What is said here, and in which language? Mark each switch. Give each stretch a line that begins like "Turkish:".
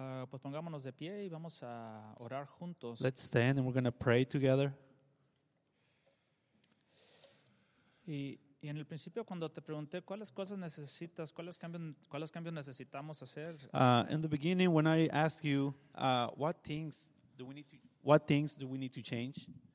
Spanish: Pues pongámonos de pie y vamos a orar juntos.
English: Let's stand and we're going to pray together.
Spanish: Y en el principio cuando te pregunté cuáles cosas necesitas, cuáles cambios necesitamos hacer.
English: In the beginning when I asked you what things do we need to change?